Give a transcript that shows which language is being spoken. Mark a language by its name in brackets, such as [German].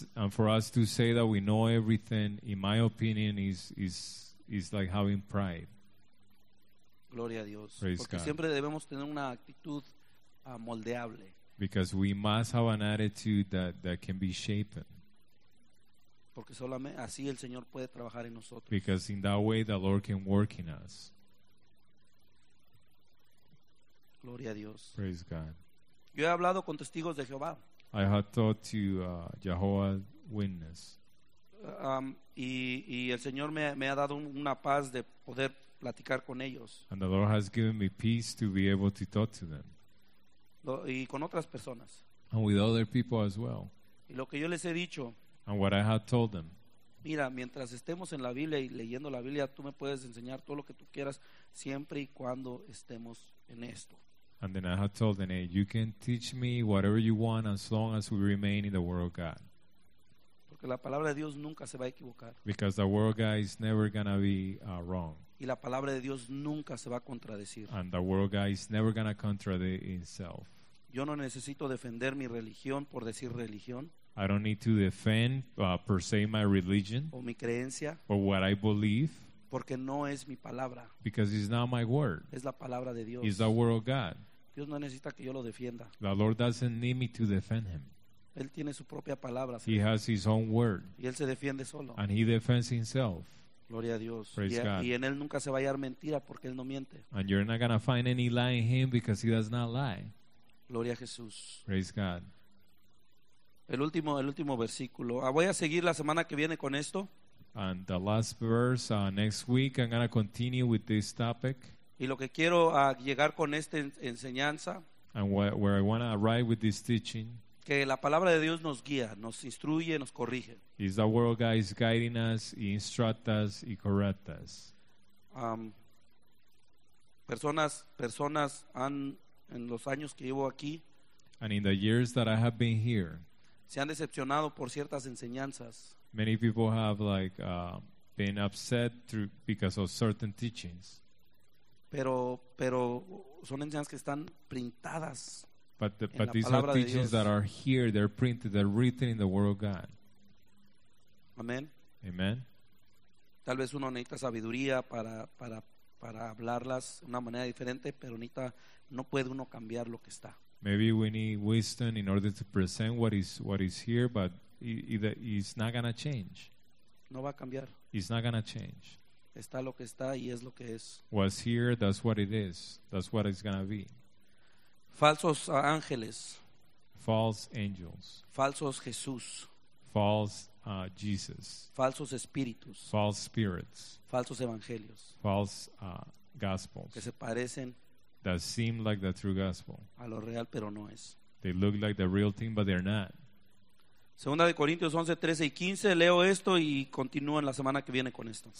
[English] And for us to say that we know everything, in my opinion, is like having pride. [Spanish] Gloria a Dios. [English] Praise [Spanish] Porque [English] God. [Spanish] Siempre debemos tener una actitud moldeable. [English] Because we must have an attitude that can be shaped. [Spanish] Porque solamente así el Señor puede trabajar en nosotros. [English] Because in that way the Lord can work in us. [Spanish] Gloria a Dios. [English] Praise God. [Spanish] Yo he hablado con testigos de Jehová. [English] I have talked to Jehovah's Witness. [Spanish] Y el Señor me ha dado una paz de poder platicar con ellos. [English] And the Lord has given me peace to be able to talk to them. [Spanish] Y con otras personas. [English] And with other people as well. [Spanish] Y lo que yo les he dicho. [English] And what I have told them. [Spanish] Mira, mientras estemos en la Biblia y leyendo la Biblia, tú me puedes enseñar todo lo que tú quieras siempre y cuando estemos en esto. [English] And then I have told them, hey, you can teach me whatever you want as long as we remain in the Word of God. [Spanish] Porque la palabra de Dios nunca se va a equivocar. [English] Because the Word of God is never going to be wrong. [Spanish] Y la palabra de Dios nunca se va a contradecir. [English] And the Word of God is never going to contradict itself. [Spanish] Yo no necesito defender mi religión por decir religión. [English] I don't need to defend per se my religion. [Spanish] O mi creencia. [English] Or what I believe. [Spanish] Porque no es mi palabra. [English] Because it's not my word. [Spanish] Es la palabra de Dios. [English] It's the word of God. [Spanish] Dios no necesita que yo lo defienda. [English] The Lord doesn't need me to defend him. [Spanish] Él tiene su propia palabra. [English] He has his own word. [Spanish] Y él se defiende solo. [English] And he defends himself. [Spanish] Gloria a Dios. [English] Praise God. [Spanish] Y en él nunca se va a hallar mentira porque él no miente. [English] And you're not going to find any lie in him because he does not lie. [Spanish] Gloria a Jesús. [English] Praise God. [Spanish] El último versículo. Voy a seguir la semana que viene con esto. [English] And the last verse, next week I'm going to continue with this topic. [Spanish] Y lo que quiero llegar con esta enseñanza. [English] And where I want to arrive with this teaching. [Spanish] Que la palabra de Dios nos guía, nos instruye, nos corrige. [English] Is the word of God is guiding us, instructs us, y correct us. [Spanish] Personas han, en los años que llevo aquí. [English] And in the years that I have been here. [Spanish] Se han decepcionado por ciertas enseñanzas. [English] Many people have been upset because of certain teachings. [Spanish] Pero son enseñanzas que están printadas. [English] But these are teachings that are here. They're printed. They're written in the Word of God. Amen. Amen. [Spanish] Tal vez uno necesita sabiduría para hablarlas de una manera diferente, pero necesita, no puede uno cambiar lo que está. [English] Maybe we need wisdom in order to present what is here, but it's not going to change. [Spanish] No va a cambiar. [English] It's not going to change. [Spanish] Está lo que está y es lo que es. [English] What's here, that's what it is. That's what it's going to be. [Spanish] Falsos ángeles. [English] False angels. [Spanish] Falsos Jesús. [English] False Jesus. [Spanish] Falsos espíritus. [English] False spirits. [Spanish] Falsos evangelios. [English] False gospels. [Spanish] Que se parecen. [English] That seem like the true gospel. [Spanish] A lo real, pero no es. [English] They look like the real thing, but they're not. [Spanish] Segunda de Corintios 11, 13 y 15. Leo esto y continúo en la semana que viene con esto.